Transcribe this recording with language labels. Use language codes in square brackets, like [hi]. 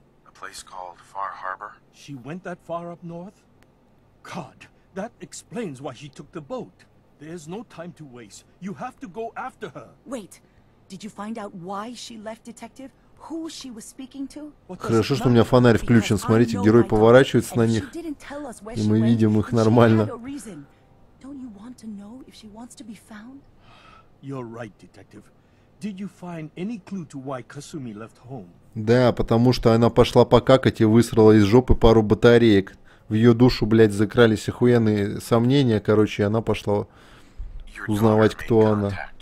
[en] A place called Far Harbor. She went that far up north? God, that explains why she took the boat. There's no time to waste. You have to go after her. Wait, did you find out why she left, detective? Who she was speaking to? [ru] Хорошо, что у меня фонарь включен. Смотрите, герой поворачивается на них. И мы видим их нормально. [en] Don't you want to know if she wants to be found? You're right, detective. Did you find any clue to why Kasumi left home? [ru] Да, потому что она пошла покакать и высрала из жопы пару батареек. В ее душу, блядь, закрались охуенные сомнения, короче, и она пошла узнавать, кто она.